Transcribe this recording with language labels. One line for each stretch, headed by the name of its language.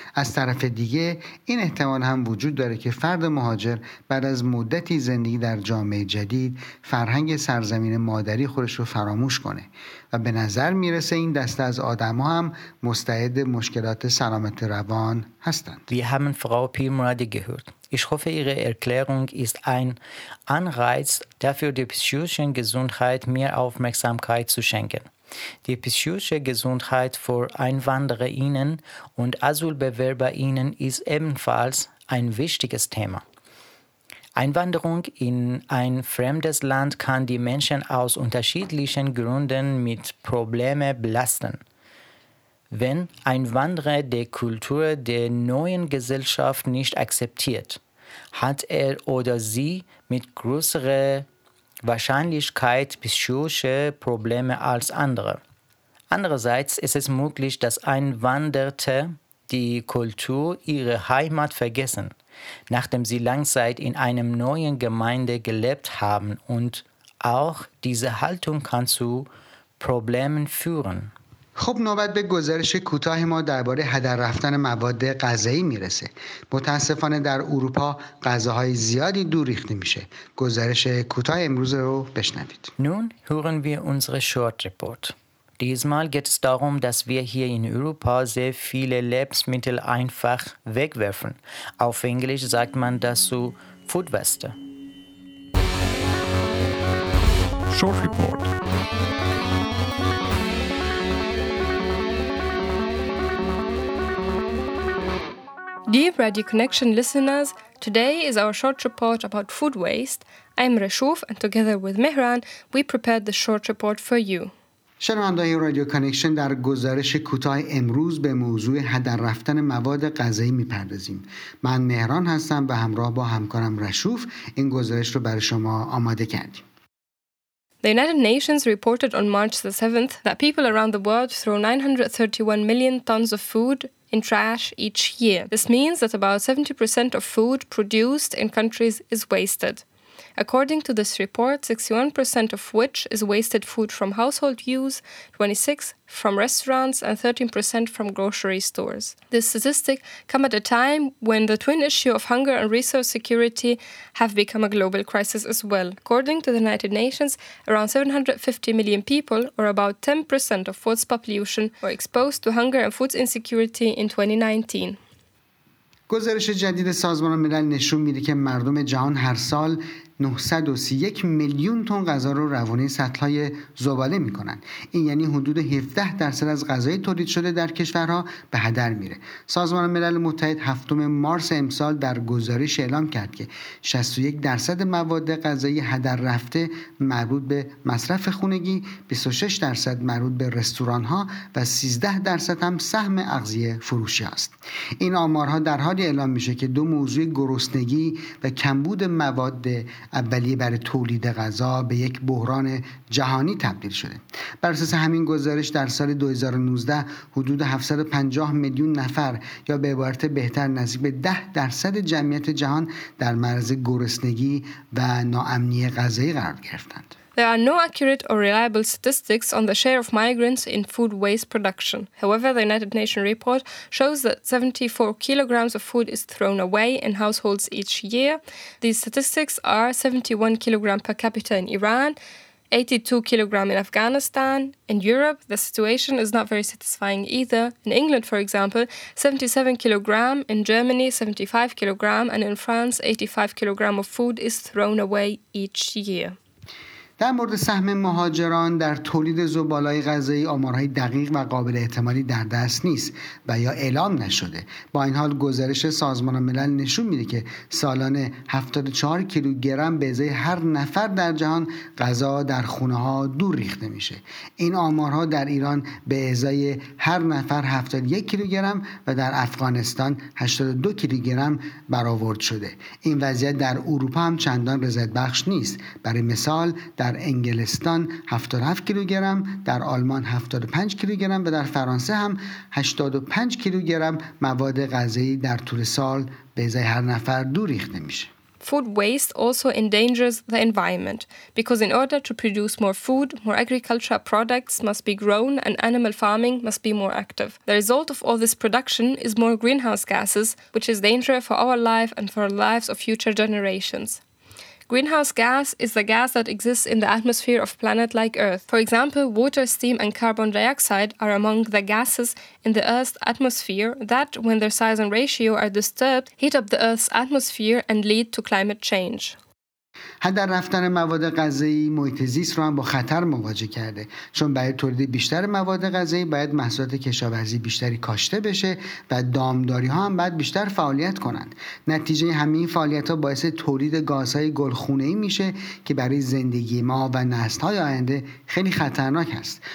Persian: از طرف دیگه این احتمال هم وجود داره که فرد مهاجر بعد از مدتی زندگی در جامعه جدید فرهنگ سرزمین مادری خودش رو فراموش کنه و به نظر میرسه این دسته از آدم ها هم مستعد مشکلات سلامت روان هستند.
German: Wir haben Frau Pirmuradi gehört. Ich hoffe, Ihre Erklärung ist ein Anreiz dafür, die psychische Gesundheit mehr Aufmerksamkeit zu schenken. Die psychische Gesundheit für EinwandererInnen und AsylbewerberInnen ist ebenfalls ein wichtiges Thema. Einwanderung in ein fremdes Land kann die Menschen aus unterschiedlichen Gründen mit Problemen belasten. Wenn ein Wanderer die Kultur der neuen Gesellschaft nicht akzeptiert, hat er oder sie mit größerer Wahrscheinlichkeit psychische Probleme als andere. Andererseits ist es möglich, dass Einwanderte die Kultur ihrer Heimat vergessen, nachdem sie Langzeit in einem neuen Gemeinde gelebt haben. Und auch diese Haltung kann zu Problemen führen.
Persian: خب نوبت به گزارش کوتاه ما درباره هدر رفتن مواد غذایی میرسه. متاسفانه در اروپا غذاهای زیادی دور ریخته میشه. گزارش کوتاه امروز رو بشنوید.
German: Nun hören wir unsere Short Report. Diesmal geht es darum, dass wir hier in Europa sehr viele Lebensmittel einfach wegwerfen. Auf Englisch sagt man dazu Food Waste.
English: Short Report. Dear Radio Connection listeners, today is our short report about food waste. I'm Reshouf and together with Mehran, we prepared the short report for you.
Persian: شنوندگان رادیو کانکشن، در گزارش کوتاه امروز به موضوع هدر رفتن مواد غذایی می‌پردازیم. من مهران هستم و همراه با همکارم رشوف این گزارش رو برای شما آماده کردیم.
English: The United Nations reported on March the 7th that people around the world throw 931 million tons of food in trash each year. This means that about 70% of food produced in countries is wasted. According to this report, 61% of which is wasted food from household use, 26% from restaurants, and 13% from grocery stores. This statistic comes at a time when the twin issue of hunger and resource security have become a global crisis as well. According to the United Nations, around 750 million people, or about 10% of world's population, were exposed to hunger and food insecurity in 2019.
Persian: گزارش جدید سازمان ملل نشون میده که مردم جهان هر سال 931 میلیون تن غذا رو روانه سطل‌های زباله میکنن. این یعنی حدود 17% از غذای تولید شده در کشورها به هدر میره. سازمان ملل متحد 7 مارس امسال در گزارش اعلام کرد که 61% مواد غذایی هدر رفته مربوط به مصرف خانگی، 26% مربوط به رستوران‌ها و 13% هم سهم اغذیه فروشی است. این آمارها در حالی اعلام میشه که دو موضوع گرسنگی و کمبود مواد اولیه برای تولید غذا به یک بحران جهانی تبدیل شده. بر اساس همین گزارش در سال 2019 حدود 750 میلیون نفر یا به عبارت بهتر نزدیک به 10% جمعیت جهان در معرض گرسنگی و ناامنی غذایی قرار گرفتند.
English: There are no accurate or reliable statistics on the share of migrants in food waste production. However, the United Nations report shows that 74 kilograms of food is thrown away in households each year. These statistics are 71 kilograms per capita in Iran, 82 kilograms in Afghanistan. In Europe, the situation is not very satisfying either. In England, for example, 77 kilograms, in Germany, 75 kilograms, and in France, 85 kilograms of food is thrown away each year.
Persian: در مورد سهم مهاجران در تولید زباله‌های غذایی آمارهای دقیق و قابل اعتمادی در دست نیست و یا اعلام نشده. با این حال گزارش سازمان ملل نشون میده که سالانه 74 کیلوگرم به ازای هر نفر در جهان غذا در خونه ها دور ریخته میشه. این آمارها در ایران به ازای هر نفر 71 کیلوگرم و در افغانستان 82 کیلوگرم برآورد شده. این وضعیت در اروپا هم چندان رضایت بخش نیست. برای مثال در انگلستان 77 کیلوگرم، در آلمان 75 کیلوگرم و در فرانسه هم 85 کیلوگرم مواد غذایی در طول سال به ازای هر نفر دور ریخته میشه.
English: Food waste also endangers the environment because in order to produce more food, more agricultural products must be grown and animal farming must be more active. The result of all this production is more greenhouse gases, which is dangerous for our life and for the lives of future generations. Greenhouse gas is the gas that exists in the atmosphere of a planet like Earth. For example, water, steam and carbon dioxide are among the gases in the Earth's atmosphere that, when their size and ratio are disturbed, heat up the Earth's atmosphere and lead to climate change.
Persian: هدر رفتن مواد غذایی محیط زیست را هم با خطر مواجه کرده، چون برای تولید بیشتر مواد غذایی باید محصولات کشاورزی بیشتری کاشته بشه و دامداری ها هم باید بیشتر فعالیت کنند. نتیجه همین فعالیت ها باعث تولید گازهای گلخونه ای میشه که برای زندگی ما و نسل های آینده خیلی خطرناک است.